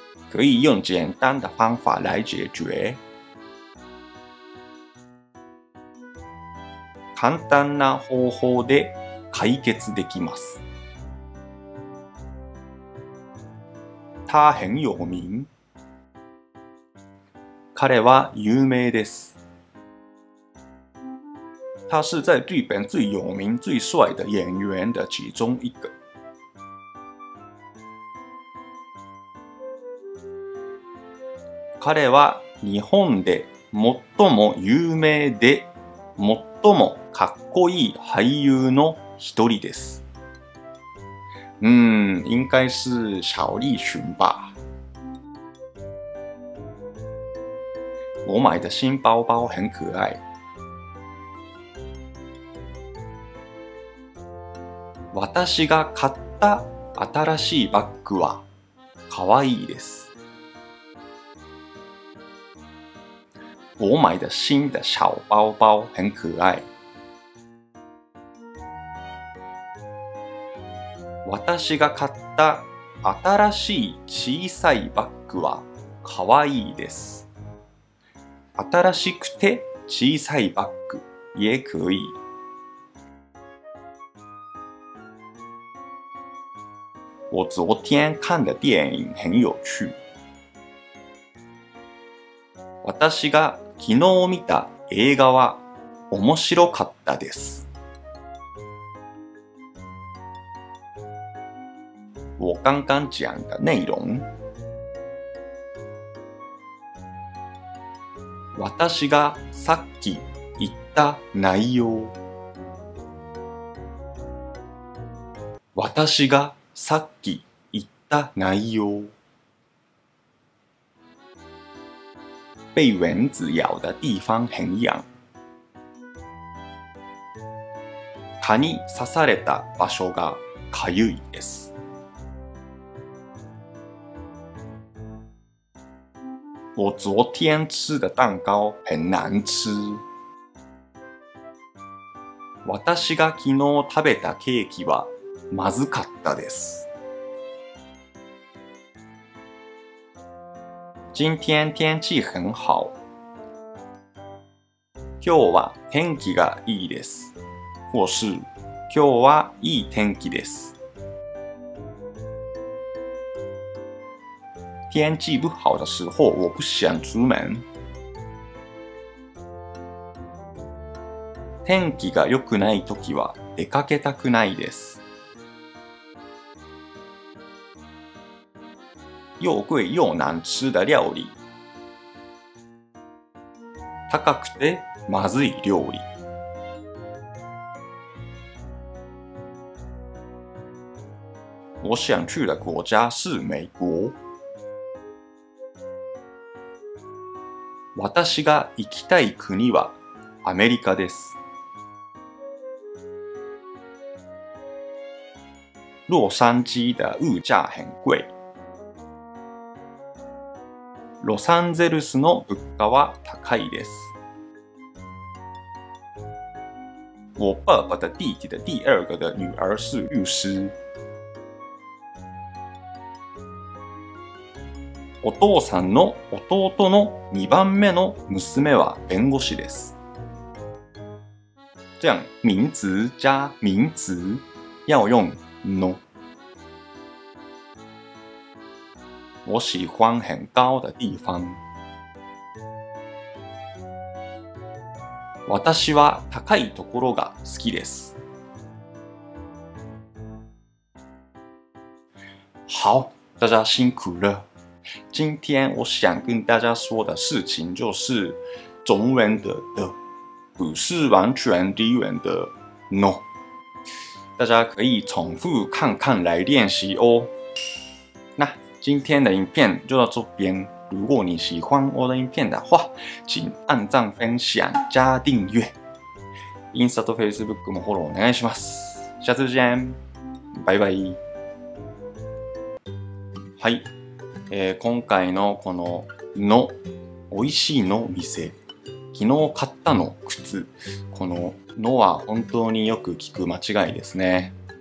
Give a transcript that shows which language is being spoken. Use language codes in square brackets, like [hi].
[zh] 可以用簡単的方法来解决。 [ja] 簡単な方法で解決できます。 [zh] 他很有名。 [ja] 彼は有名です。 [zh] 他是在日本最有名、最帅的演员的其中一个。 [ja] 彼は日本で最も有名で最もかっこいい俳優の一人です。 [zh] 应该是小栗旬吧。我买的新包包很可爱。 [ja] 私が買った新しいバッグは可愛いです。 [zh] 我买的新的小包包很可爱。 [ja] 私が買った新しい小さいバッグは可愛いです。新しくて小さいバッグ。 [zh] 也可以。我昨天看的电影很有趣。 [ja] 私が昨日見た映画は面白かったです。 [zh] 我刚刚讲的内容。 [ja] 私がさっき言った内容。私がさっき言った内容。 [zh] 被蚊子咬的地方很痒。 [ja] 蚊に刺された場所がかゆいです。 [zh] 我昨天吃的蛋糕很难吃。 [ja] 私が昨日食べたケーキはまずかったです。 [zh] 今天天气很好。 [ja] 今日は天気がいいです。 [zh] 或是 [ja] 今日はいい天気です。 [zh] 天气不好的时候，我不想出门。 [ja] 天気が良くない時は出かけたくないです。 [zh] 又贵又难吃的料理。 [ja] 高くてまずい料理。 [zh] 我想去的国家是美国。 [ja] 私が行きたい国はアメリカです。 [zh] 洛杉矶的物价很贵。 [ja] ロサンゼルスの物価は高いです。 [zh] 我爸爸的弟弟的第二个的女儿是律师。 [ja] お父さんの弟の2番目の娘は弁護士です。 [zh] 这样名词加名词要用の。我喜欢很高的地方。 [ja] 私は高いところが好きです。 [zh] 好，大家辛苦了。今天我想跟大家说的事情就是，中文的的不是完全低文的 no， 大家可以重复看看来练习哦。那今天的影片就到这边，如果你喜欢我的影片的话，请按赞、分享、加订阅。 [ja] インスタとフェイスブックもフォローお願いします。 [zh] 下次见，拜拜。 [ja] はい。今回のこのの、美味しいの店、昨日買ったの靴、こののは本当によく聞く間違いですね。